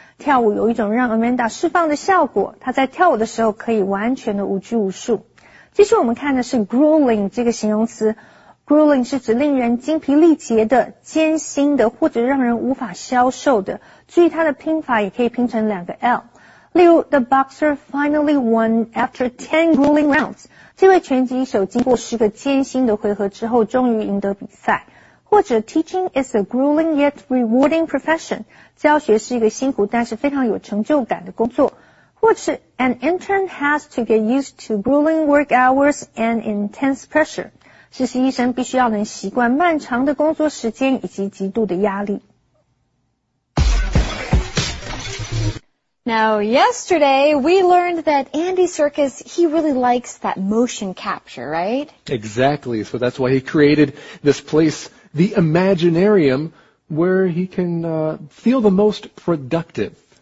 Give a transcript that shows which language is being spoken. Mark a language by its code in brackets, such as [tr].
[zh] 跳舞有一种让 Amanda 释放的效果，她在跳舞的时候可以完全的无拘无束。继续我们看的是 grueling 这个形容词。Grueling 是指令人精疲力竭的、艰辛的或者让人无法消受的。注意它的拼法也可以拼成两个 L。例如 [en] The boxer finally won after 10 grueling rounds. [zh] 这位拳击手经过10个艰辛的回合之后终于赢得比赛。或者 [en] Teaching is a grueling yet rewarding profession. [zh] 教学是一个辛苦但是非常有成就感的工作。或者 [en] An intern has to get used to grueling work hours and intense pressure. [zh] 实习医生必须要能习惯漫长的工作时间以及极度的压力。 [en] Now, yesterday, we learned that Andy Serkis, he really likes that motion capture, right? Exactly. So that's why he created this place, the Imaginarium, where he can, feel the most productive.